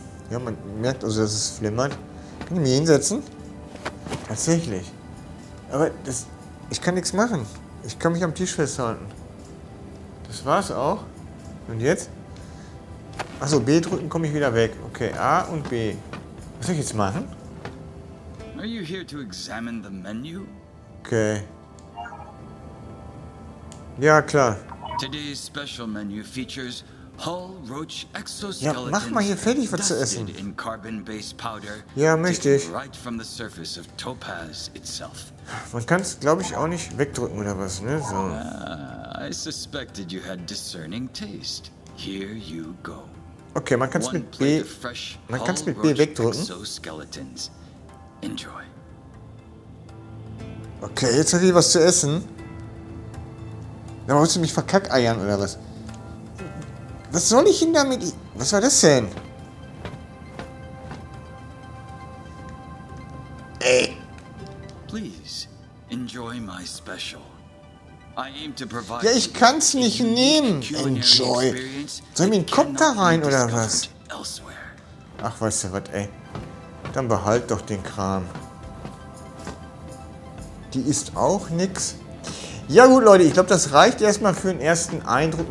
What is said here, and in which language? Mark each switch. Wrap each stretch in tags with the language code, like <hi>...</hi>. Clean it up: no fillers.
<de>Ja, man merkt also, dass es flimmert. Kann ich mich hinsetzen? Tatsächlich. Aber das, ich kann nichts machen. Ich kann mich am Tisch festhalten. Das war's auch. Und jetzt? Achso, B drücken, komme ich wieder weg. Okay, A und B. Was soll ich jetzt machen?</de> <en>Are you here to examine the menu? Okay.</en> <de>Ja, klar.</de> <en>Today's special menu features hull roach exoskeletons.</en> <de>Ja, mach mal hier fertig, was zu essen.</de> <en>In carbon-based powder.</en> <de>Ja, möchte ich.</de> <en>Right from the surface of topaz itself.</en> <de>Man kann es, glaube ich, auch nicht wegdrücken oder was, ne? So.</de> <en>I suspected you had discerning taste. Here you go.</en> <de>Okay, man kann es mit B. Man kann es mit B wegdrücken. Exoskeletons. Enjoy. Okay, jetzt habe ich was zu essen. Da musst du mich verkackeiern oder was? Was soll ich denn damit? Was war das denn? Ey.</de> <en>Please enjoy my special. I aim to provide.</en> <de>Ja, ich kann's nicht nehmen. Enjoy. Soll ich mir einen Kopf da rein oder was? Elsewhere. Ach, weißt du was, ey? Dann behalt doch den Kram. Die isst auch nix. Ja gut, Leute, ich glaube, das reicht erstmal für den ersten Eindruck.</de>